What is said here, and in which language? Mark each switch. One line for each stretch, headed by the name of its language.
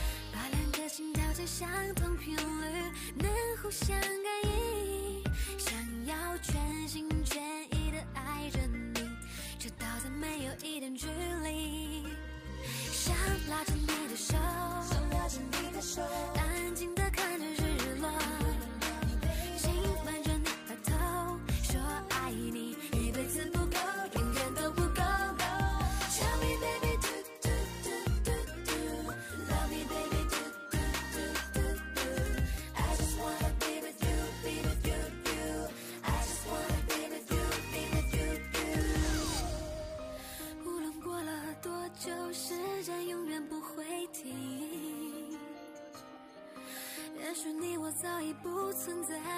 Chinese: 把两颗心跳成相同频率，能互相感应，想要全心全意的爱着你，直到再没有一点距离。想拉着你的手，想拉着你的手，安静的看着日落，心伴着你的头，说爱你一辈子不够，永远都不够。
English: No, Tell me baby do do do do do, Love me baby do do do do do, I just wanna be with you, be with you, you, I just wanna be with you, be with you, you.
Chinese: 无论过了多久，时间永远不会停，也许你我早已不存在。